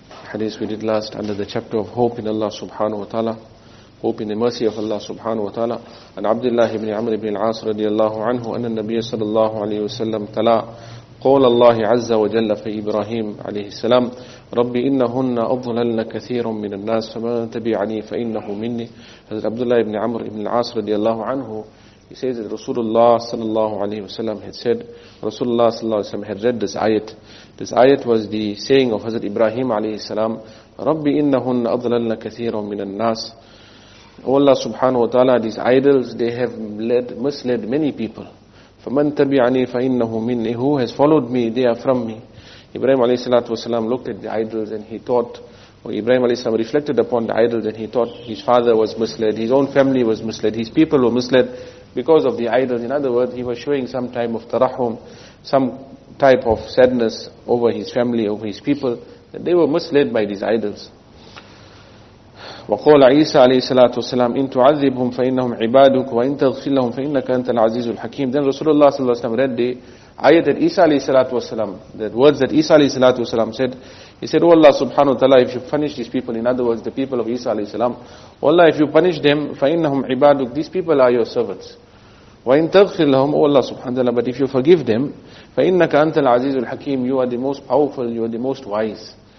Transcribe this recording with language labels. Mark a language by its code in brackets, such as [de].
[en] Hadith we did last under the chapter of hope in Allah subhanahu wa ta'ala, hope in the mercy of Allah subhanahu wa ta'ala. And Abdullah ibn Amr ibn al-As radiallahu anhu, and the Nabiya sallallahu alayhi wa sallam tala, [ar] قول الله عز وجل في إبراهيم عليه السلام ربي إنهن أضللن كثير من الناس فمن تبعني فإنه مني. [en] Hazrat Abdullah ibn Amr ibn al-As radiallahu anhu, he says that Rasulullah sallallahu alayhi wa sallam had said, Rasulullah sallallahu alayhi wa sallam had read this ayat. This ayat was the saying of Hazrat Ibrahim alayhi salam, [ar] Rabbi innahunna adlalna kathirun minan nas. [en] O Allah subhanahu wa ta'ala, these idols, they have led, misled many people. [ar] فَمَن تَبِعَنِي فَإِنَّهُ مِنِّي, [en] who has followed me, they are from me. Ibrahim alayhi salatu wa sallam looked at the idols and he thought, or Ibrahim alayhi salam reflected upon the idols and he thought his father was misled, his own family was misled, his people were misled because of the idols. In other words, he was showing some type of tarahum, some type of sadness over his family, over his people, that they were misled by these idols. [ar] وقال عيسى عليه الصلاة والسلام إن تعذبهم فإنهم عبادك وإن تغفر لهم فإنك أنت العزيز الحكيم. [en] Then Rasulullah صلى الله عليه وسلم read the ayat that Isa عليه الصلاة والسلام, the words that Isa عليه الصلاة والسلام said. He said, oh Allah subhanahu wa ta'ala, if you punish these people, in other words, the people of Isa عليه السلام, oh Allah, if you punish them, [ar] فإنهم عبادك, [en] these people are your servants. [ar] وَإِنْ تَغْفِرْ لَهُمْ أَوَ اللَّهُ سُبْحَانَهُ وَتَعَالَى, [en] but if you forgive them, [ar] فَإِنَّكَ أَنْتَ الْعَزِيزُ الْحَكِيمُ, [en] you are the most powerful, you are the most wise.